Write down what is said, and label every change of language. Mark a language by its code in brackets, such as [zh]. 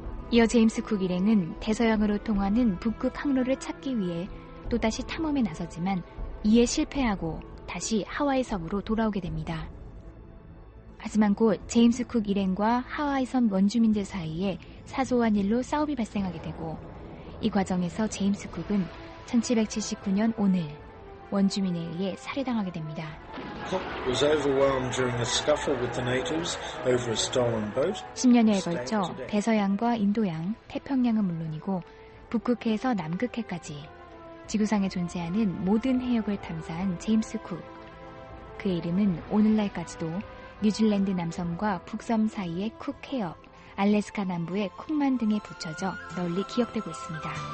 [ko] 이어 제임스 쿡 일행은 대서양으로 통하는 북극 항로를 찾기 위해 또다시 탐험에 나섰지만 이에 실패하고 다시 하와이 섬으로 돌아오게 됩니다. 하지만 곧 제임스 쿡 일행과 하와이섬 원주민들 사이에 사소한 일로 싸움이 발생하게 되고 이 과정에서 제임스 쿡은 1779년 오늘 원주민에 의해 살해당하게 됩니다. [en] Cook was overwhelmed during a scuffle with the natives over a stolen boat. [ko] 10년에 걸쳐 대서양과 인도양, 태평양은 물론이고 북극해에서 남극해까지 지구상에 존재하는 모든 해역을 탐사한 제임스 쿡. 그의 이름은 오늘날까지도 뉴질랜드 남섬과 북섬 사이의 쿡해역, 알래스카 남부의 쿡만 등에 붙여져 널리 기억되고 있습니다.